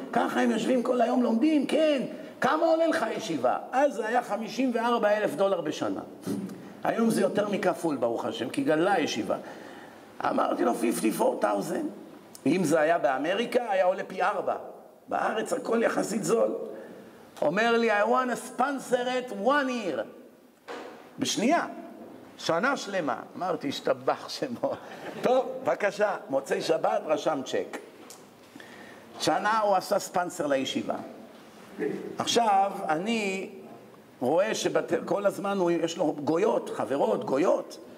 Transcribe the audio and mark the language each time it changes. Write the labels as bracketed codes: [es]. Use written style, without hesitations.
[he] ככה הם יושבים כל היום לומדים? כן. כמה עולה לך ישיבה? אז זה היה 54,000 דולר בשנה. היום זה יותר מכפול, ברוך השם, כי גדלה הישיבה. אמרתי לו, 54,000. אם זה היה באמריקה, היה עולה פי 4. בארץ הכל יחסית זול. אומר לי, [en] I want to sponsor it one year. [he] בשנייה. שנה שלמה, אמרתי, השתבח שמו. טוב, בבקשה, מוצאי שבת, רשם צ'ק. שנה הוא עשה ספנסר לישיבה. עכשיו, אני רואה שכל הזמן הוא, יש לו גויות, חברות, גויות.